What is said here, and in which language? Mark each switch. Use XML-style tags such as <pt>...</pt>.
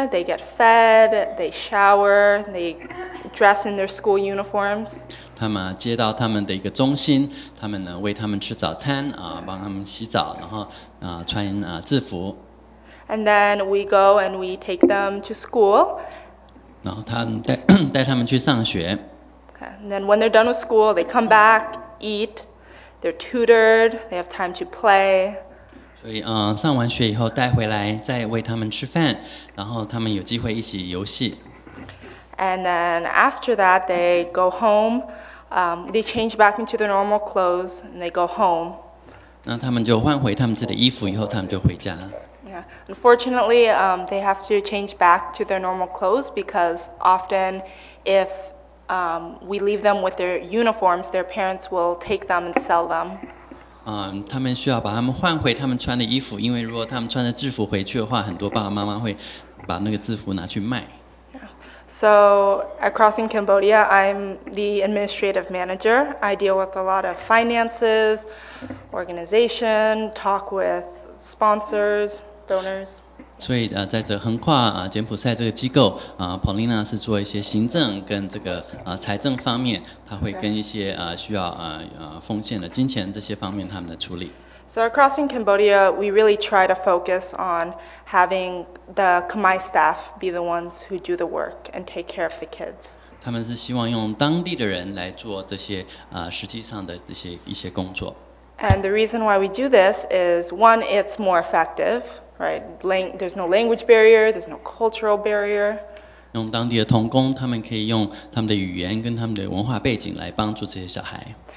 <en>They get fed, they shower, they dress in their school uniforms.</en> <zh>他们接到他们的一个中心，他们呢为他们吃早餐帮他们洗澡，然后穿制服。</zh> <en>And then we go and we take them to school.</en> <zh>然后他们带他们去上学。</zh> <en>Okay, and then when they're done with school, they come back, eat. They're tutored, they have time to play.</en> <zh>所以上完学以后带回来再喂他们吃饭，然后他们有机会一起游戏。</zh> <en>And then after that they go home, they change back into their normal clothes and they go home.</en> <zh>那他们就换回他们自己的衣服以后他们就回家。</zh> <en>Yeah. Unfortunately, they have to change back to their normal clothes because often if we leave them with their uniforms, their parents will take them and sell them.</en> <zh>他们需要把他们换回他们穿的衣服，因为如果他们穿着制服回去的话，很多爸爸妈妈会把那个制服拿去卖。</zh> <en>So, at Crossing Cambodia, I'm the administrative manager. I deal with a lot of finances, organization, talk with sponsors, donors.</en> <zh>所以在这横跨柬埔寨这个机构Paulina 是做一些行政跟这个财政方面，他会跟一些需要奉献的金钱这些方面他们的处理。</zh> <en>So across in Cambodia, we really try to focus on having the Khmer staff be the ones who do the work and take care of the kids.</en> <zh>他们是希望用当地的人来做这些实际上的这些一些工作。</zh> <en>And the reason why we do this is one, it's more effective. Right, there's no language barrier, there's no cultural barrier.</en> <zh>用当地的同工，他们可以用他们的语言跟他们的文化背景来帮助这些小孩。</zh>